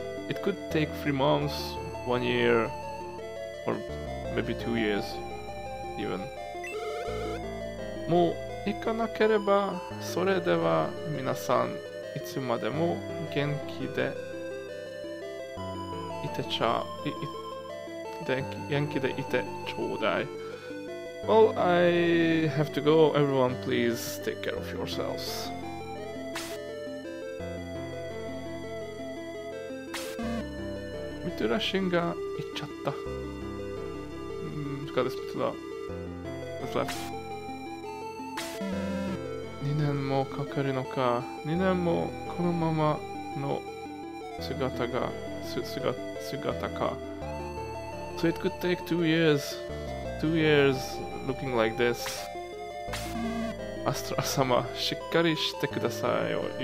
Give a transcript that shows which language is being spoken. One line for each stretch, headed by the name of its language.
English: It could take 3 months, 1 year, or maybe 2 years, even.
Japanese: もう行かなければ、それでは皆さんいつまでも元気でいてちゃう。
English: Well, I have to go. Everyone, please take care of yourselves.
Japanese: Mitsurashin-ga itchatta.
English: Got this Mitsura. What's left?
Japanese: 2年もかかるのか。2年もこのままの姿か。
English: So it could take 2 years looking like this.
Japanese: アストラ様、しっかりしてくださいよ。